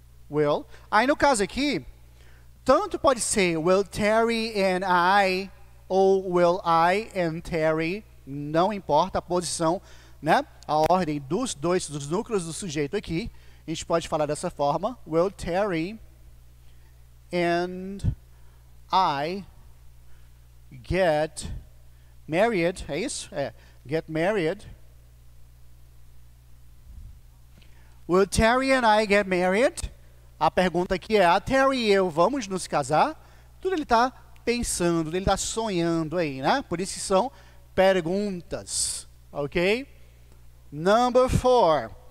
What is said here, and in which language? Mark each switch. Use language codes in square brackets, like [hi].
[pt] Will. Aí no caso aqui, tanto pode ser [en] will Terry and I [pt] ou [en] will I and Terry, [pt] não importa a posição, né? A ordem dos dois, dos núcleos do sujeito aqui, a gente pode falar dessa forma: [en] will Terry and I get married? [pt] É isso? É. [en] Get married. Will Terry and I get married? [pt] A pergunta aqui é, a Terry e eu vamos nos casar? Tudo ele está pensando, ele está sonhando aí, né? Por isso que são perguntas, ok? [en] Number four.